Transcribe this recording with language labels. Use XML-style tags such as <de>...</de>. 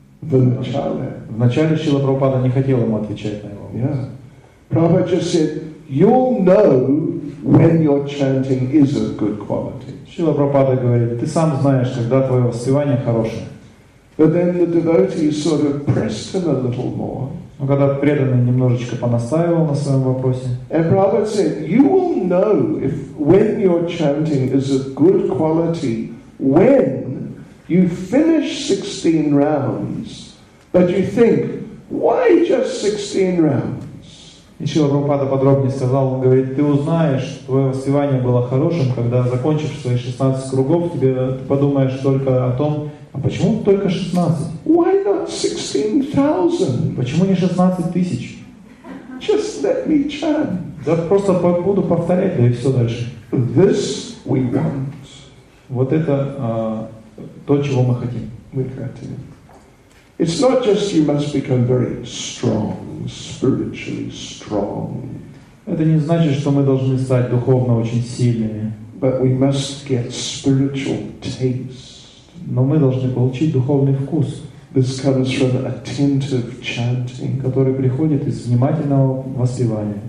<ru>Вначале Шрила Прабхупада не хотел ему отвечать на его вопрос.</ru> <en>Yeah. Prabhupada just said, you'll know when your chanting is of good quality.</en> <ru>Шрила Прабхупада говорит, ты сам знаешь, когда твое воспевание хорошее.</ru> <en>But then the devotee sort of pressed him a little more.</en> <ru>Но когда преданный немножечко понастаивал на своем вопросе,</ru> <en>and Prabhupada said, you will know if when your chanting is of good quality when you finish 16 rounds, but you think, why just 16 rounds?</en> <ru>И Шрила Прабхупада подробнее сказал, он говорит, ты узнаешь, твое воспевание было хорошим, когда закончишь свои 16 кругов, тебе ты подумаешь только о том, а почему только 16?</ru> <en>Why not 16,000?</en> <ru>Почему не 16 тысяч?</ru> <en>Just let me chant.</en> <ru>Да просто буду повторять, да и все дальше.</ru> <en>This we want.</en> <ru>Вот это то, чего мы хотим.</ru> <en>It's not just you must become very strong, spiritually strong.</en> <ru>Это не значит, что мы должны стать духовно очень сильными.</ru> <en>But we must get spiritual taste.</en> <ru>Но мы должны получить духовный вкус,</ru> <en>this comes from attentive chanting,</en> <ru>который приходит из внимательного воспевания.</ru>